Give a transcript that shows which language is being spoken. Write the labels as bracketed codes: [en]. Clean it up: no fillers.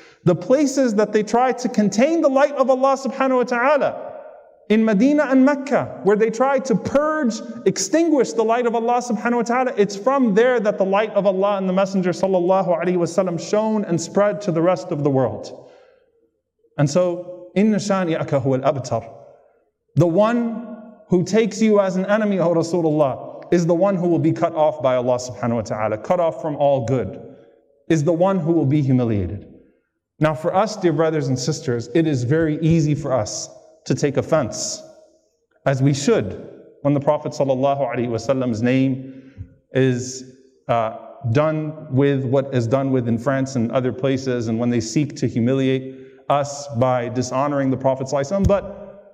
[en] The places that they tried to contain the light of Allah subhanahu wa ta'ala, in Medina and Mecca, where they tried to purge, extinguish the light of Allah subhanahu wa ta'ala, it's from there that the light of Allah and the Messenger sallallahu alayhi wa sallam shone and spread to the rest of the world. And so, [ar] إِنَّ شَانِئَكَ هُوَ الْأَبْتَرِ. [en] The one who takes you as an enemy, O Rasulullah, is the one who will be cut off by Allah subhanahu wa ta'ala, cut off from all good, is the one who will be humiliated. Now for us, dear brothers and sisters, it is very easy for us to take offense, as we should, when the Prophet sallallahu alayhi wa sallam's name is done with what is done with in France and other places, and when they seek to humiliate us by dishonoring the Prophet sallallahu alayhi wa sallam.